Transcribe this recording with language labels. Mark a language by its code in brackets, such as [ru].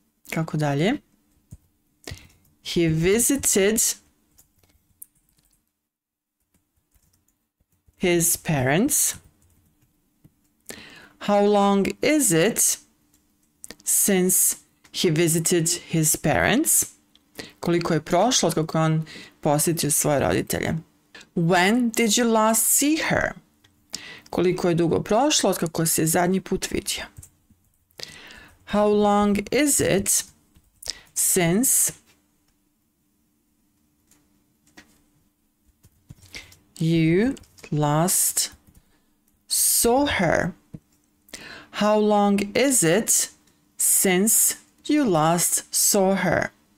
[hr] Kako dalje? [en] He visited his parents. How long is it since he visited his parents? [hr] Koliko je prošlo od kako je on posjetio svoje roditelje? [en] When did you last see her? [hr] Koliko je dugo prošlo od kako se zadnji put vidio? [en] How long is it since you last saw her? How long is it since you last saw her?